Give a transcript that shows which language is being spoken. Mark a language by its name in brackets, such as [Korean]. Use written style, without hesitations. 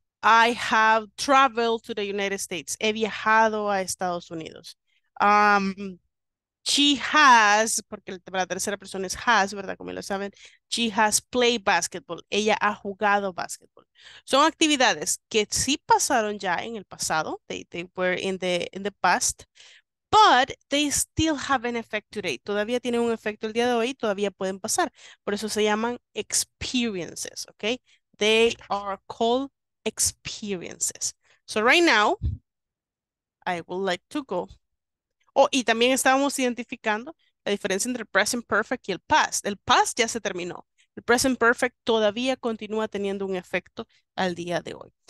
[English] I have traveled to the United States. [Spanish] He viajado a Estados Unidos. [English] She has, [Spanish] porque la tercera persona es has, ¿verdad? Como lo saben, [English] she has played basketball. [Spanish] Ella ha jugado basketball. Son actividades que sí pasaron ya en el pasado. [English] They were in the past, but they still have an effect today. [Spanish] Todavía tienen un efecto el día de hoy, todavía pueden pasar. Por eso se llaman [English] experiences, ¿okay? They are called experiences. So right now, I would like to go. [Spanish] Oh, y también estábamos identificando la diferencia entre el present perfect y el past. El past ya se terminó. El present perfect todavía continúa teniendo un efecto al día de hoy.